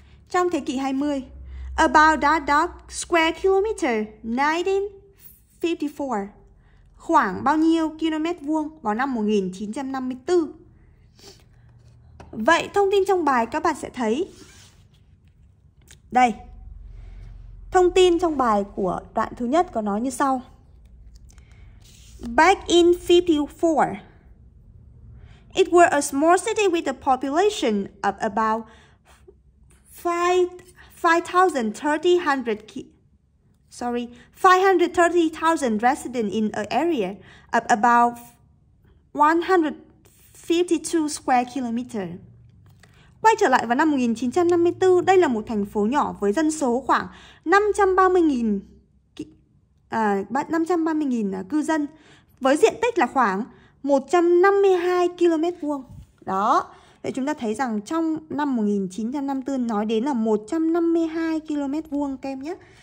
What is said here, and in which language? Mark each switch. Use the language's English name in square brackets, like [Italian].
[Vietnamese] Trong thế kỷ 20, [English] about that dot square kilometer 1954. [Vietnamese] Khoảng bao nhiêu km vuông vào năm 1954. Vậy thông tin trong bài các bạn sẽ thấy. Đây. Thông tin trong bài của đoạn thứ nhất có nói như sau. [English] Back in 54, it was a small city with a population of about 530,000 residents in an area of about 152 square kilometers. [Vietnamese] Quay trở lại vào năm 1954, đây là một thành phố nhỏ với dân số khoảng 530.000 cư dân, với diện tích là khoảng 152 km2. Đó, vậy chúng ta thấy rằng trong năm 1954 nói đến là 152 km2, các em nhé.